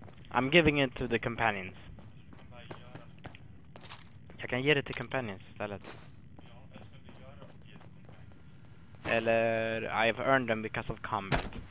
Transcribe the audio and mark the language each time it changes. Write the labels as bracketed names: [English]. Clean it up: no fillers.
[English] I'm giving it to the companions. [Swedish] Jag kan ge det till companions istället. [English] Eller, I've earned them because of combat.